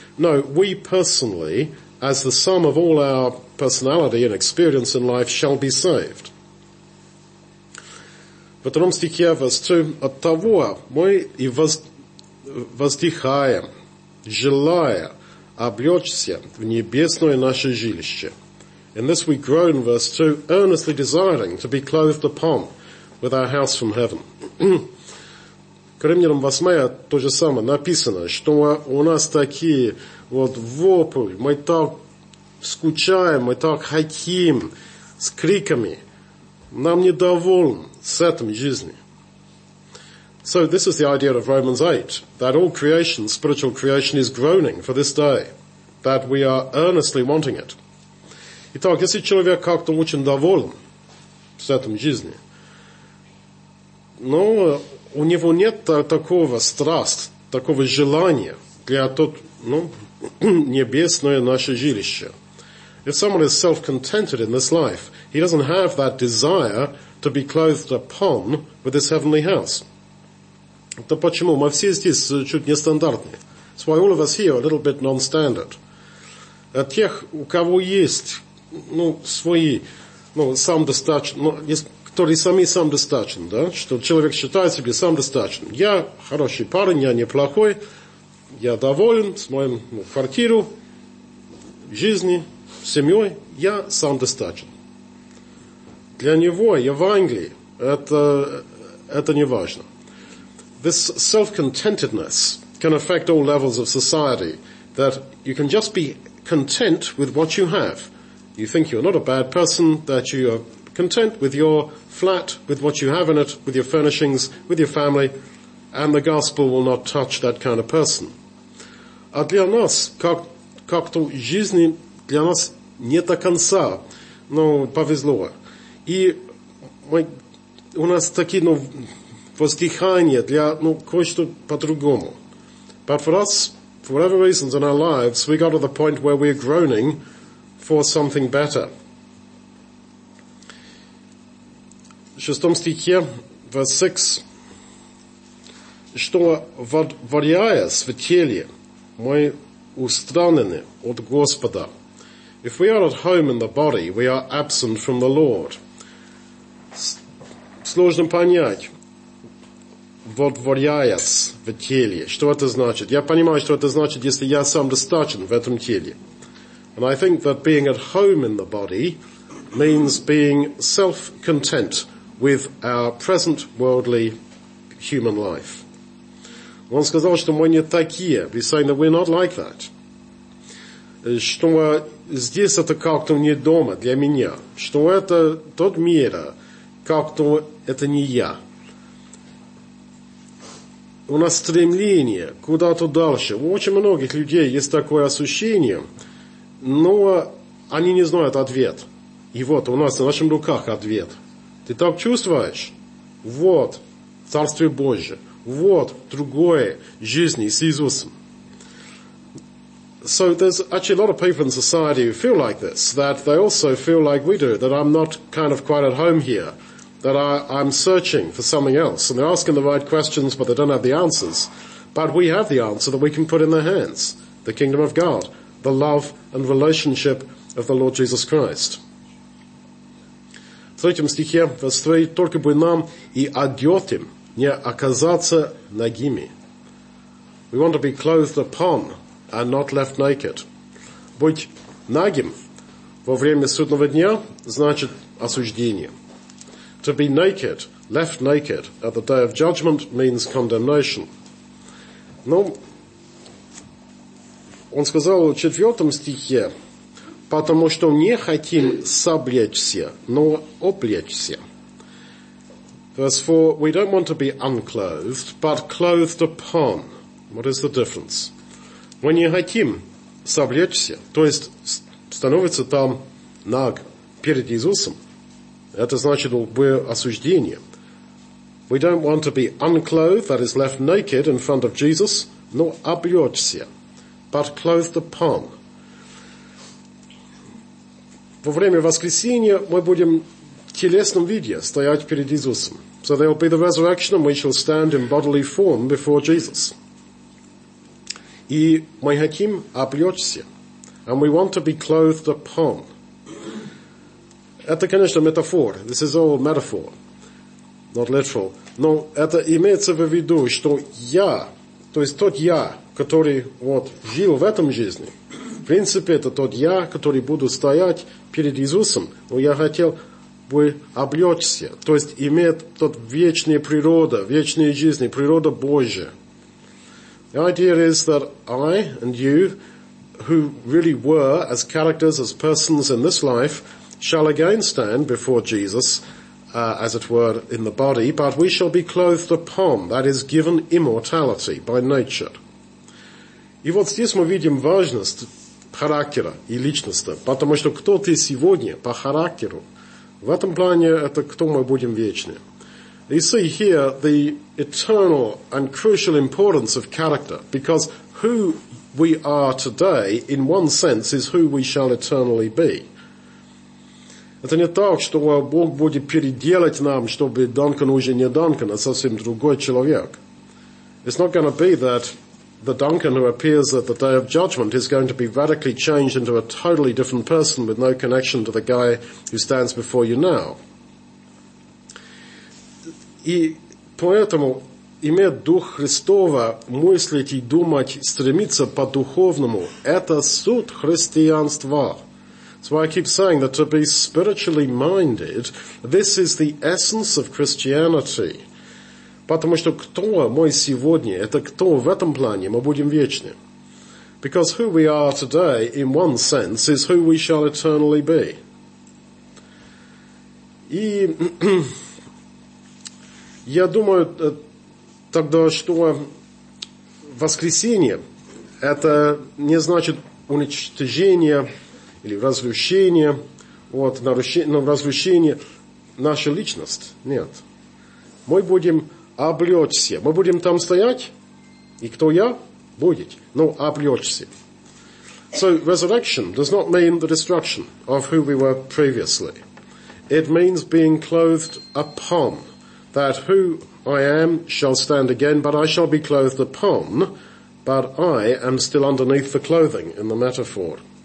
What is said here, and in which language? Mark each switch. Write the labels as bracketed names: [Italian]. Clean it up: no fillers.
[English] No, we personally, as the sum of all our personality and experience in life, shall be saved. [Russian] В втором стихе, [English] verse 2, [Russian] от того мы и воздыхаем, желая облечься в небесное наше жилище. [English] In this we groan, verse 2, earnestly desiring to be clothed upon with our house from heaven. [Russian] Коринфянам 8 то же самое написано, что у нас такие вот вопли, мы так скучаем, мы так хотим, с криками, нам недоволен с этим жизни. [English] So this is the idea of Romans 8, that all creation, spiritual creation, is groaning for this day, that we are earnestly wanting it. [Russian] Итак, если человек как-то очень доволен с этим жизни, но у него нет такого страст, такого желания для тот, ну, небесное наше жилище. [English] If someone is self-contented in this life, he doesn't have that desire to be clothed upon with this heavenly house. [Russian] То почему? Мы все здесь чуть нестандартные. [English] That's why all of us here are a little bit non-standard. [Russian] А тех, у кого есть, ну, свои, ну, самодостаточные, ну, которые сами самодостаточны, да, что человек считает себя самодостаточным. Я хороший парень, я неплохой, я доволен с моим, ну, квартиру, жизни, семьей, я самодостаточен. Для него Евангелие это не важно. [English] This self-contentedness can affect all levels of society, that you can just be content with what you have. You think you're not a bad person, that you are content with your flat, with what you have in it, with your furnishings, with your family, and the gospel will not touch that kind of person. [Russian] А для нас, как-то жизни, для нас не до конца, но повезло. И мы, у нас такие, ну, воздыхания для, ну, кое-что по-другому. [English] But for us, for whatever reasons in our lives, we got to the point where we're groaning for something better. [Russian] шестом стихе, [English] verse 6, [Russian] что варяясь в теле, мы устранены от Господа. [English] If we are at home in the body, we are absent from the Lord. [Russian] Сложно понять, вот варяясь в теле, что это значит. Я понимаю, что это значит, если я сам достаточен в этом теле. [English] And I think that being at home in the body means being self-content with our present worldly human life. [Russian] Он сказал, что мы не такие. [English] He's saying that we're not like that. [Russian] Что здесь это как-то не дома для меня. Что это тот мир, как-то это не я. У нас стремление куда-то дальше. У очень многих людей есть такое ощущение, но они не знают ответ. И вот у нас на наших руках ответ. Ты так чувствуешь? Вот Царствие Божие. Вот другое жизни с Иисусом. [English] So there's actually a lot of people in society who feel like this, that they also feel like we do, that I'm not kind of quite at home here, that I'm searching for something else. And they're asking the right questions, but they don't have the answers. But we have the answer that we can put in their hands, the kingdom of God, the love and relationship of the Lord Jesus Christ. [Russian] В третьем стихе, [English] verse 3, [Russian] только бы нам и одетым не оказаться нагими. [English] We want to be clothed upon and not left naked. [Russian] Быть нагим во время судного дня значит осуждение. [English] To be naked, left naked at the day of judgment means condemnation. [Russian] Но он сказал в четвертом стихе, потому что не хотим соблечься, но облечься. [English] Verse 4, we don't want to be unclothed, but clothed upon. What is the difference? [Russian] Мы не хотим соблечься, то есть становится там наг перед Иисусом. Это значит, мы осуждение. [English] We don't want to be unclothed, that is left naked in front of Jesus, [Russian] но облечься, [English] but clothed upon. [Russian] Во время воскресения мы будем в телесном виде стоять перед Иисусом. [English] So there will be the resurrection and we shall stand in bodily form before Jesus. [Russian] И мы хотим облечься. [English] And we want to be clothed upon. [Russian] Это, конечно, метафор. [English] This is all metaphor, not literal. [Russian] Но это имеется в виду, что я, то есть тот я, который вот жил в этом жизни, в принципе, это тот я, который буду стоять перед Иисусом. Но я хотел бы облечься, то есть имеет тот вечная природа, вечная жизнь, природа Божия. [English] The idea is that I and you, who really were as characters, as persons in this life, shall again stand before Jesus, as it were, in the body, but we shall be clothed upon, that is, given immortality by nature. [Russian] И вот здесь мы видим важность характера и личности, потому что кто ты сегодня по характеру? В этом плане это кто мы будем вечны. [English] You see here the eternal and crucial importance of character, because who we are today, in one sense, is who we shall eternally be. [Russian] Это не так, что Бог будет переделать нам, чтобы Данкан уже не Данкан, а совсем другой человек. [English] It's not going to be that the Duncan who appears at the Day of Judgment is going to be radically changed into a totally different person with no connection to the guy who stands before you now. [Russian] И поэтому, имея Дух Христова, мыслить и думать, стремиться по-духовному, это суть христианства. [English] That's why I keep saying that to be spiritually minded, this is the essence of Christianity. [Russian] Потому что кто мы сегодня, это кто в этом плане, мы будем вечны. [English] Because who we are today, in one sense, is who we shall eternally be. [Russian] И я думаю тогда, что воскресение, это не значит уничтожение или развлечение, вот, развлечение нашей личности. Нет. Мы будем облечься. Мы будем там стоять, и кто я? Будет. Но облечься. [English] So, resurrection does not mean the destruction of who we were previously. It means being clothed upon, that who I am shall stand again, but I shall be clothed upon, but I am still underneath the clothing in the metaphor.